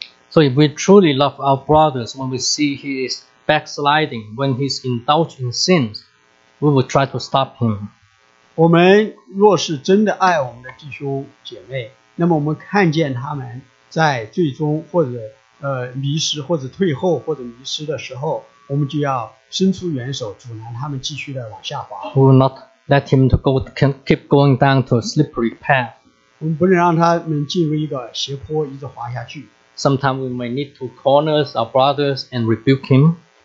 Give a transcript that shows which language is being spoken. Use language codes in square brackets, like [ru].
[en] So if we truly love our brothers, when we see he is backsliding, when he's indulged in sins, we will try to stop him. [zh] 我们若是真的爱我们的弟兄姐妹，那么我们看见他们在最终或者迷失或者退后或者迷失的时候，我们就要伸出援手，阻拦他们继续的往下滑。 [en] We will not let him to go keep going down to a slippery path. [zh] 我们不能让他们进入一个斜坡，一直滑下去。 [en] Sometimes we may need to corner our brothers and rebuke him.